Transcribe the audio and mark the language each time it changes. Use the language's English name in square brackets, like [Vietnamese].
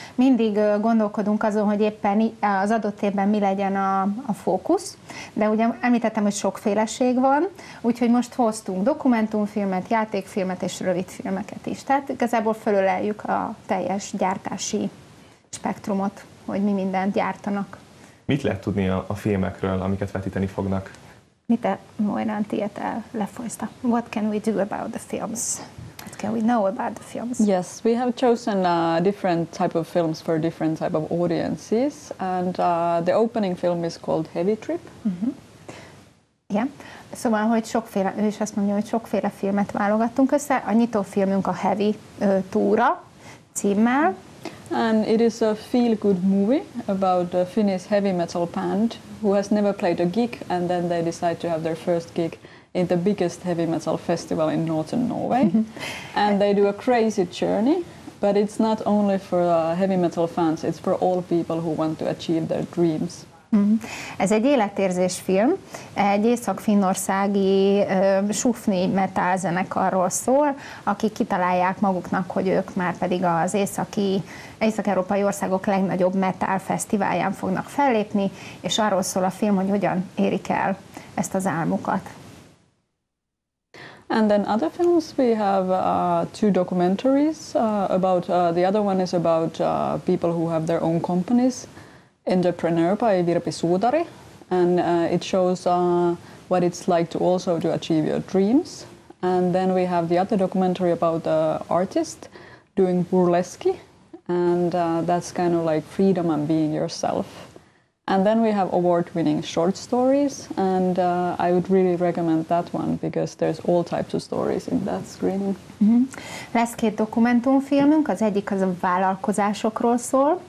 [Hungarian] Mindig gondolkodunk azon, hogy éppen az adott évben mi legyen a fókusz, de ugye említettem, hogy sokféleség van, úgyhogy most hoztunk dokumentumfilmet, játékfilmet és rövidfilmeket is. Tehát igazából fölöleljük a teljes gyártási spektrumot, hogy mi mindent gyártanak. Mit lehet tudni a filmekről, amiket vetíteni fognak? Mit a Moira Theater lefolyta? [English] What can we do about the films? What can we know about the films? Yes, we have chosen different type of films for different type of audiences, and the opening film is called Heavy Trip. Mm-hmm. Yeah. [Hungarian] Szóval, hogy sokféle, ő is azt mondja, hogy sokféle filmet válogattunk össze. A nyitó filmünk a Heavy Túra címmel. [English] And it is a feel-good movie about a Finnish heavy metal band who has never played a gig, and then they decide to have their first gig in the biggest heavy metal festival in northern Norway. And they do a crazy journey, but it's not only for heavy metal fans, it's for all people who want to achieve their dreams. [Hungarian] Ez egy életérzés film, egy észak-finnországi sufni metal zenekarról szól, akik kitalálják maguknak, hogy ők már pedig az észak-európai országok legnagyobb metal fesztiválján fognak fellépni, és arról szól a film, hogy hogyan érik el ezt az álmukat. [English] And then other films, we have two documentaries about, the other one is about people who have their own companies. Entrepreneur by Virpi Suutari, and it shows what it's like to also to achieve your dreams. And then we have the other documentary about the artist doing burlesque, and that's kind of like freedom and being yourself. And then we have award-winning short stories, and I would really recommend that one because there's all types of stories in that screening. Mm-hmm. [Hungarian] Lesz két dokumentumfilmünk, az egyik az a vállalkozásokról szól.